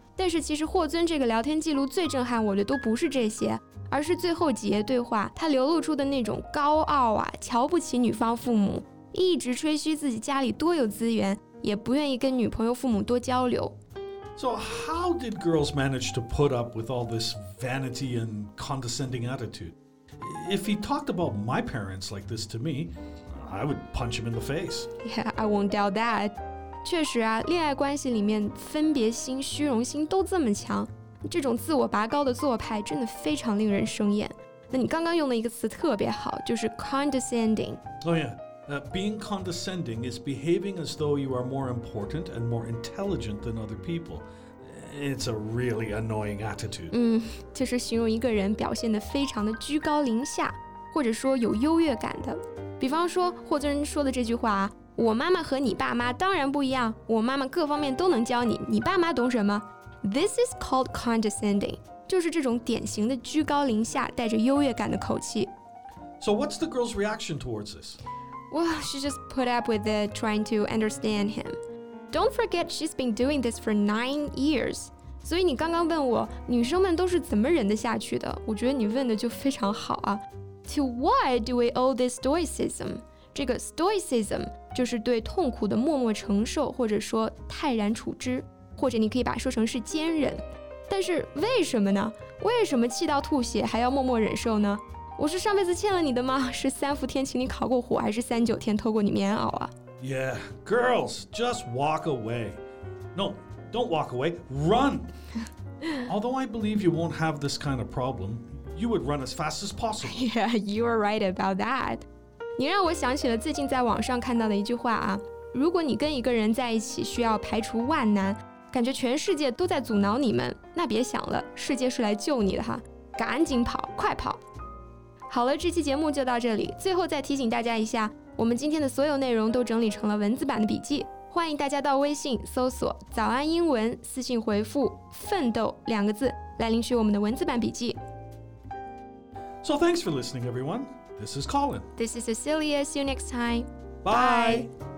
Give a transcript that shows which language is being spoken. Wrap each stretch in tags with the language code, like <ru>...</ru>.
<zh>但是其实霍尊这个聊天记录最震撼我的都不是这些，而是最后几页对话，他流露出的那种高傲啊，瞧不起女方父母，一直吹嘘自己家里多有资源，也不愿意跟女朋友父母多交流。</zh> <en>So how did girls manage to put up with all this vanity and condescending attitude? If he talked about my parents like this to me, I would punch him in the face. Yeah, I won't doubt that.</en> <zh>确实啊，恋爱关系里面分别心、虚荣心都这么强，这种自我拔高的做派真的非常令人生厌。那你刚刚用的一个词特别好，就是 condescending.</zh> <en>Oh yeah. Being condescending is behaving as though you are more important and more intelligent than other people. It's a really annoying attitude.</en> <zh>就是形容一个人表现得非常的居高临下，或者说有优越感的。比方说，霍尊说的这句话，我妈妈和你爸妈当然不一样，我妈妈各方面都能教你，你爸妈懂什么？</zh> <en>This is called condescending.</en> <zh>就是这种典型的居高临下，带着优越感的口气。</zh> <en>So what's the girl's reaction towards this? Well, she just put up with it, trying to understand him. Don't forget, she's been doing this for 9 years.</en> <zh>所以你刚刚问我，女生们都是怎么忍得下去的？我觉得你问的就非常好啊。</zh> <en>To what do we owe this stoicism?</en> <zh>这个 stoicism 就是对痛苦的默默承受，或者说泰然处之，或者你可以把说成是坚忍。但是为什么呢？为什么气到吐血还要默默忍受呢？我是上辈子欠了你的吗？是三伏天请你烤过火，还是三九天偷过你棉袄啊？</zh> <en>Yeah, girls, just walk away. No, don't walk away, run. Although I believe you won't have this kind of problem, you would run as fast as possible. Yeah, you are right about that.</en> <zh>你让我想起了最近在网上看到的一句话啊，如果你跟一个人在一起需要排除万难，感觉全世界都在阻挠你们，那别想了，世界是来救你的哈，赶紧跑，快跑。好了，这期节目就到这里。最后再提醒大家一下，我们今天的所有内容都整理成了文字版的笔记，欢迎大家到微信搜索早安英文，私信回复奋斗两个字来领取我们的文字版笔记。</zh> <en>So thanks for listening everyone. This is Colin. This is Cecilia. See you next time. Bye.</en>